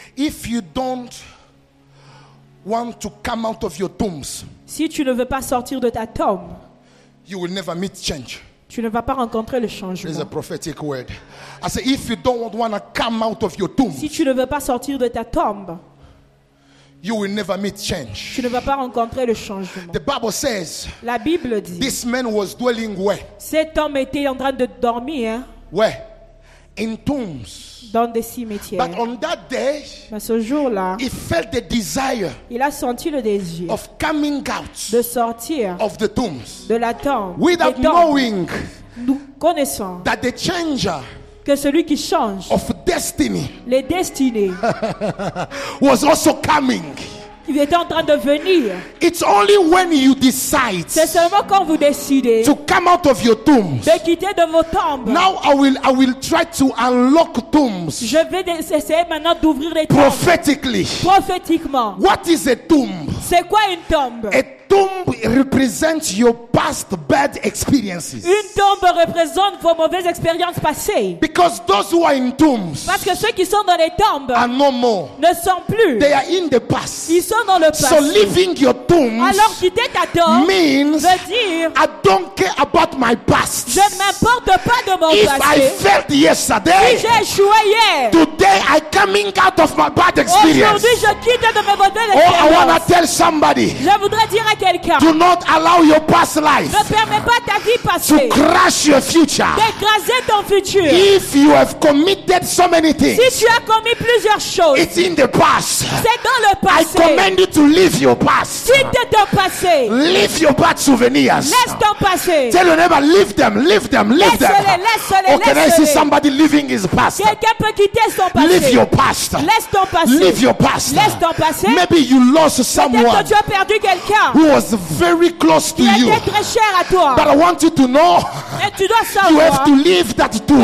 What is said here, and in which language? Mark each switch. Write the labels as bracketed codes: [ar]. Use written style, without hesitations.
[en] If you don't want to come out of your tombs, [fr] si tu ne veux pas sortir de ta tombe, [en] you will never meet change. [fr] Tu ne vas pas rencontrer le changement. [en] There's a prophetic word. I say, if you don't want to come out of your tomb, [fr] si tu ne veux pas sortir de ta tombe, [en] you will never meet change. [fr] Tu ne vas pas rencontrer le changement. [en] The Bible says, [fr] la Bible dit, [en] this man was dwelling where? [fr] Cet homme était en train de dormir. [en] Where? In tombs. [fr] Dans des cimetières. [en] But on that day, [fr] mais ce jour-là, [en] he felt the desire, [fr] il a senti le désir, [en] of coming out, [fr] de sortir, [en] of the tombs, [fr] de la tombe, [en] without knowing, [fr] nous connaissons, [en] that the changer, [fr] que celui qui change, [en] of destiny, [fr] les destinées, [en] was also coming. [fr] Il était en train de venir. [en] It's only when you decide. [fr] C'est seulement quand vous décidez. [en] To come out of your tombs. [fr] De quitter de vos tombes. [en] Now I will try to unlock tombs. [fr] Je vais essayer maintenant d'ouvrir les tombes. [en] Prophetically. [fr] Prophétiquement. [en] What is a tomb? [fr] C'est quoi une tombe? [en] A tomb represents your past bad experiences. [fr] Une tombe représente vos mauvaises expériences passées. [en] Because those who are in tombs. [fr] Parce que ceux qui sont dans les tombes. [en] Are no more. [fr] Ne sont plus. [en] They are in the past. [fr] Ils sont dans le passé. [en] So leaving your tombs. [fr] Alors quitter ta tombe. [en] Means. [fr] Veut dire. [en] I don't care about my past. [fr] Je ne m'importe pas de mon [en] If [fr] passé. [en] If I failed yesterday. [fr] Si j'ai échoué hier. [en] Today I coming out of my bad experience. [fr] Aujourd'hui je quitte de mes mauvaises expériences. [en] Oh, I wanna tell somebody. [fr] Je voudrais dire. [en] Do not allow your past life to crush your future. If you have committed so many things, [fr] si tu as commis plusieurs choses, [en] it's in the past. [fr] C'est dans le passé. [en] I command you to leave your past. [fr] Quitte ton passé. [en] Leave your bad souvenirs. [fr] Laisse ton passé. [en] Tell your neighbor, leave them, leave them, leave them. [fr] Laisse-les, [en] or can [fr] laisse-les. [en] I see somebody leaving his past? [fr] Quelqu'un peut quitter son passé. [en] Leave your past. [fr] Laisse ton passé. [en] Leave your past. [fr] Laisse ton passé. [en] Maybe you lost someone. [fr] Peut-être que tu as perdu quelqu'un. [en] Who was very close to you. [fr] Très cher à toi. [en] But I want you to know [fr] tu dois savoir [en] you have to leave that tomb.